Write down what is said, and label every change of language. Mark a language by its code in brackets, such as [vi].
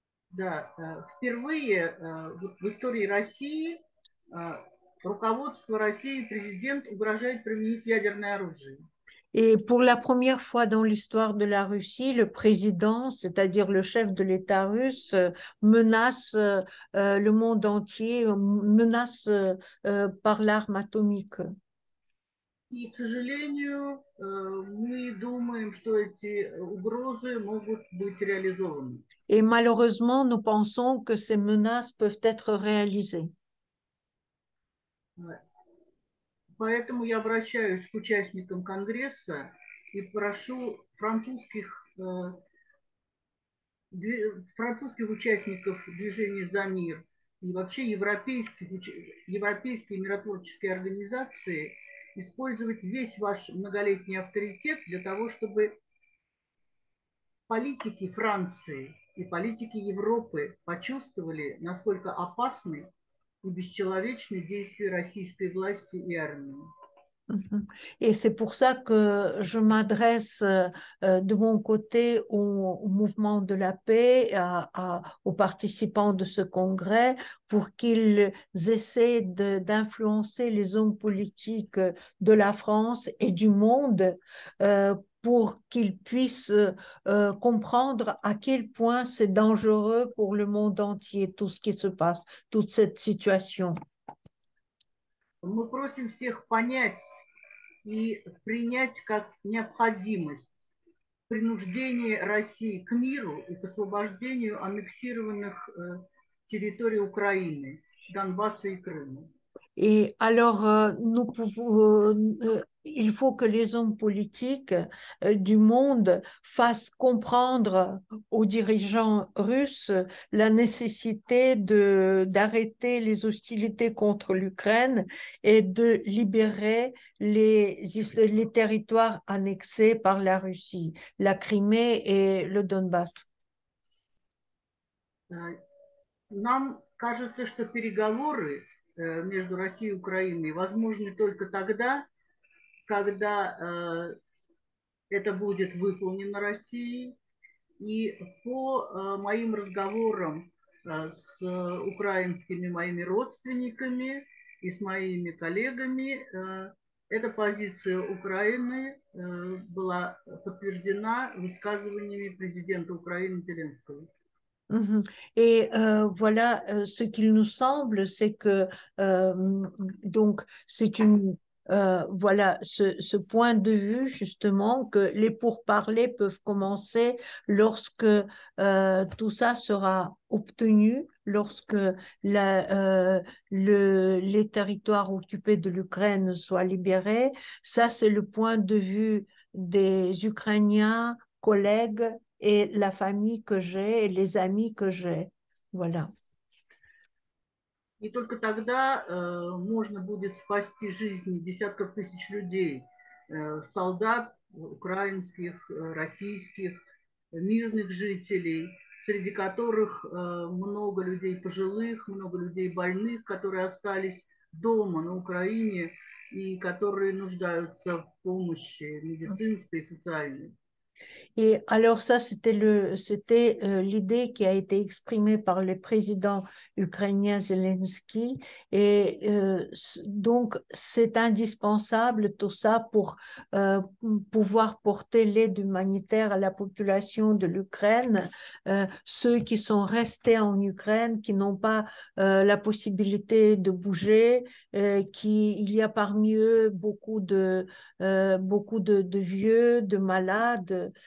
[ru] Да, впервые в истории России руководство России, президент угрожает применить ядерное оружие. [fr] Et pour la première fois dans l'histoire de la Russie, le président, c'est-à-dire le chef de l'État russe, menace le monde entier, menace par l'arme atomique. [ru] И, к сожалению, мы думаем, что эти угрозы могут быть реализованы. [fr] Et malheureusement, nous pensons que ces menaces peuvent être réalisées. [ru] Поэтому я обращаюсь к участникам Конгресса и прошу французских участников движения «За мир» и вообще европейские миротворческие организации использовать весь ваш многолетний авторитет для того, чтобы политики Франции и политики Европы почувствовали, насколько опасны и бесчеловечны действия российской власти и армии. [fr] Et c'est pour ça que je m'adresse de mon côté au mouvement de la paix, aux participants de ce congrès, pour qu'ils essaient d'influencer les hommes politiques de la France et du monde, pour qu'ils puissent comprendre à quel point c'est dangereux pour le monde entier, tout ce qui se passe, toute cette situation. [ru] Мы просим всех понять и принять как необходимость принуждение России к миру и к освобождению аннексированных территорий Украины, Донбасса и Крыма. [fr] Et alors, il faut que les hommes politiques du monde fassent comprendre aux dirigeants russes la nécessité d'arrêter les hostilités contre l'Ukraine et de libérer les territoires annexés par la Russie, la Crimée et le Donbass. [ru] Нам кажется, что переговоры между Россией и Украиной возможны только тогда, когда это будет выполнено Россией. И по моим разговорам с украинскими моими родственниками и с моими коллегами, эта позиция Украины была подтверждена высказываниями президента Украины Зеленского. [fr] Et voilà ce qu'il nous semble, c'est que donc c'est une voilà ce point de vue justement que les pourparlers peuvent commencer lorsque tout ça sera obtenu, lorsque les territoires occupés de l'Ukraine soient libérés. Ça, c'est le point de vue des Ukrainiens, collègues. Et la famille que j'ai, et les amis que j'ai. Voilà. [ru] И только тогда можно будет спасти жизни десятков тысяч людей, солдат украинских, российских, мирных жителей, среди которых много людей пожилых, много людей больных, которые остались дома на Украине и которые нуждаются в помощи медицинской и социальной. [fr] Et alors ça, c'était l'idée qui a été exprimée par le président ukrainien Zelensky. Et donc, c'est indispensable tout ça pour pouvoir porter l'aide humanitaire à la population de l'Ukraine, ceux qui sont restés en Ukraine, qui n'ont pas la possibilité de bouger, il y a parmi eux beaucoup de vieux, de malades.